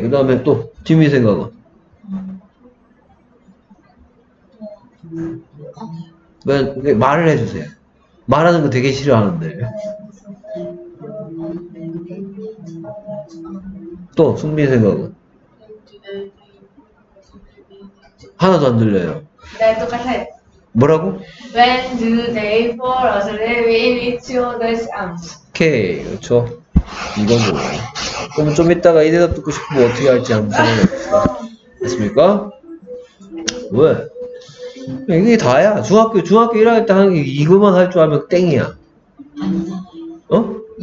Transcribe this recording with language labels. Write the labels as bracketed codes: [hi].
[ko] 그 다음에 또 팀이 생각은 when, 말을 해주세요. 말하는 거 되게 싫어하는데. 또 승민 생각은 하나도 안 들려요. 네, 똑같아요. 뭐라고? [en] When do they fall asleep in each other's arms? [ko] 오케이, 그렇죠. 이건 좋아요. 그럼 좀 이따가 이 대답 듣고 싶으면 어떻게 할지 한번 생각해보세요. 됐습니까? 왜? 이게 다야. 중학교 1학년 때 하는 게 이것만 할 줄 알면 땡이야. 어?